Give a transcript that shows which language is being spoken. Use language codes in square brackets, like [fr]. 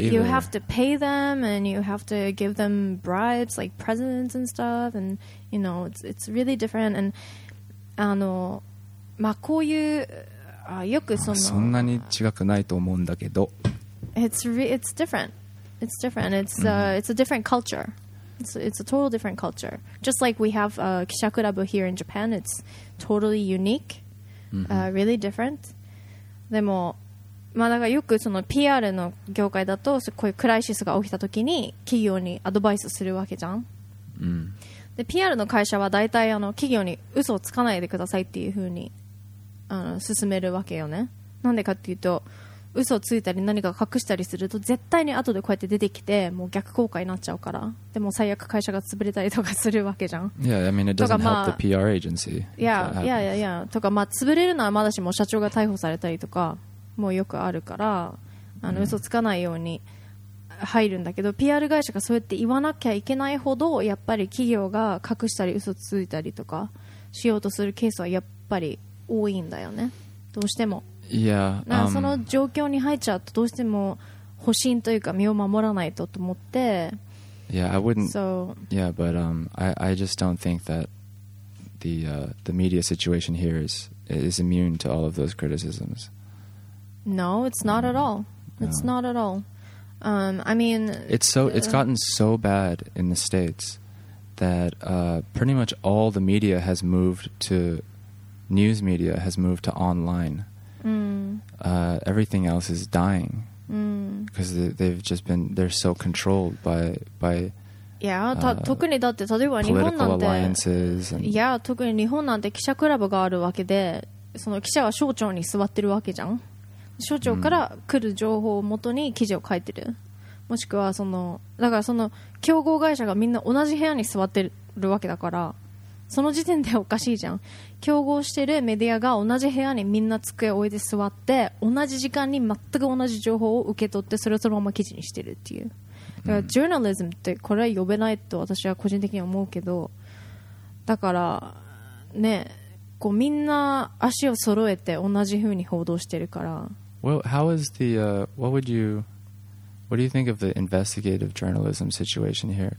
[en] you have to pay them and you have to give them bribes like presents and stuff and you know it's really different and [ja] あのまあこういうあよくそのそんなに違くないと思うんだけど [en] it's differentIt's different. It's a different culture. It's a total different culture. Just like we have Kishakurabu here in Japan, it's totally unique, really different. [ja] でも、まあ、だからよくその PR の業界だとこういうクライシスが起きた時に企業にアドバイスするわけじゃん。で、PR の会社は大体あの企業に嘘をつかないでくださいっていうふうにあの進めるわけよね。なんでかっていうと嘘をついたり何か隠したりすると絶対に後でこうやって出てきてもう逆効果になっちゃうからでも最悪会社が潰れたりとかするわけじゃん [en] Yeah, I mean it doesn't help the PR agency Yeah. [ja] とかまあ潰れるのはまだしも社長が逮捕されたりとかもうよくあるからあの嘘つかないように入るんだけど PR 会社がそうやって言わなきゃいけないほどやっぱり企業が隠したり嘘ついたりとかしようとするケースはやっぱり多いんだよねどうしても [en] Yeah, [ja] その状況に入っちゃうとどうしても保身というか身を守らないとと思って [en] Yeah, I wouldn't so, Yeah, but I just don't think that the media situation here is immune to all of those criticisms No, it's not at all It's not at all I mean It's gotten so bad in the States that pretty much all the media has moved to news media has moved to onlineEverything else is dying because they've just been they're so controlled by [ja] yeah 特にだって例えば日本なんて特に日本なんて記者クラブがあるわけでその記者は省庁に座ってるわけじゃん省庁から来る情報をもとに記事を書いてる、もしくはそのだからその競合会社がみんな同じ部屋に座ってるわけだからその時点でおかしいじゃん競合してるメディアが同じ部屋にみんな机を置いて座って同じ時間に全く同じ情報を受け取ってそれをそのまま記事にしてるっていうだからジャーナリズムってこれは呼べないと私は個人的に思うけどだからねこうみんな足を揃えて同じ風に報道してるから [en] Well, how is the what do you think of the investigative journalism situation here?